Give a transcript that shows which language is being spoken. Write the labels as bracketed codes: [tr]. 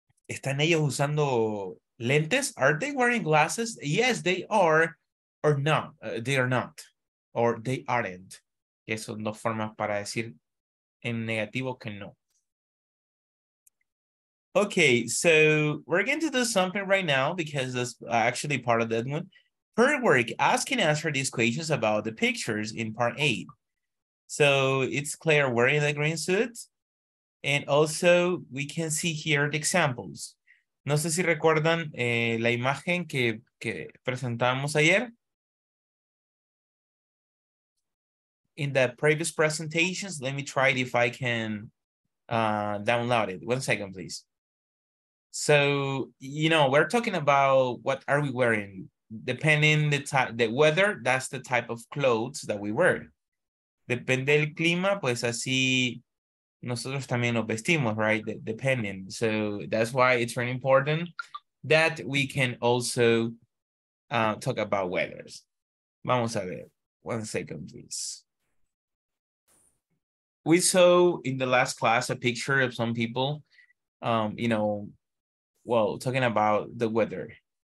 [es] ¿Están ellos usando lentes? [en] Are they wearing glasses? Yes, they are. Or no, they are not. Or they aren't. [es] Que son dos formas para decir en negativo que no. [en] Okay, so we're going to do something right now because that's actually part of that one. Per work, ask and answer these questions about the pictures in part eight. So it's Claire wearing the green suit. And also we can see here the examples. [es] No sé si recuerdan la imagen que presentamos ayer. [en] In the previous presentations, let me try it if I can download it. One second, please. So, you know, we're talking about what are we wearing? Depending the weather, that's the type of clothes that we wear. [es] Depende del clima, pues así nosotros también nos vestimos, right? [en] Depending. So that's why it's very important that we can also talk about weathers. [es] Vamos a ver. [en] One second, please. We saw in the last class a picture of some people, you know, well, talking about the weather.